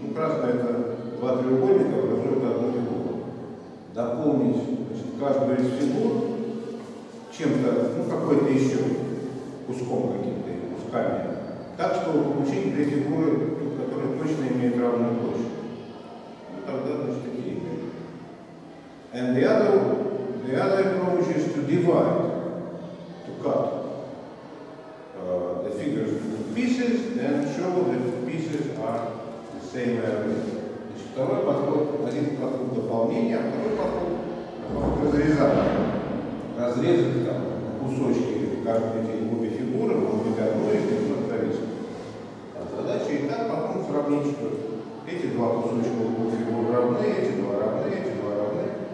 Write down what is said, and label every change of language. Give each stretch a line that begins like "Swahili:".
Russian: Ну, красная это два треугольника, образуют одну фигуру. Дополнить, значит, каждую из фигур чем-то, ну, какой-то еще куском каким-то, кусками. Так, чтобы получить две фигуры, которые точно имеют равную площадь. Ну, тогда, значит, такие фигуры.
English: And the other approach is to divide, to cut the figures into pieces and show that the pieces are the same area.
Russian: Значит, второй подход, один подход дополнения, а второй подход разрезания. Разрезать там кусочки каждой обе фигуры, может быть одну из них повторить. Задача и так потом сравнить, что эти два кусочка у фигур равны, эти два равны, эти два равны.